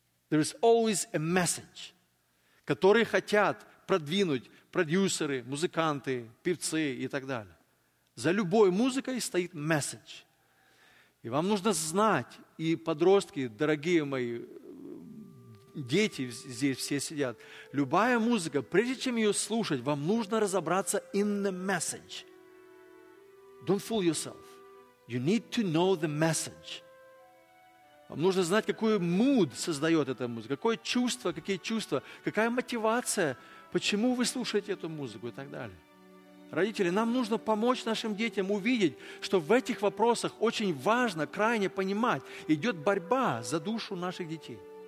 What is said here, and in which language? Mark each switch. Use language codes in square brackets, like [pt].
[en] There is always a message, [ru] который хотят продвинуть продюсеры, музыканты, певцы и так далее. За любой музыкой стоит месседж. И вам нужно знать, и подростки, дорогие мои, дети здесь все сидят, любая музыка, прежде чем ее слушать, вам нужно разобраться [en] in the message. Don't fool yourself. You need to know the message. [ru] Вам нужно знать, какой mood создает эта музыка, какое чувство, какие чувства, какая мотивация, почему вы слушаете эту музыку и так далее. Родители, нам нужно помочь нашим детям увидеть, что в этих вопросах очень важно крайне понимать, идет борьба за душу наших детей.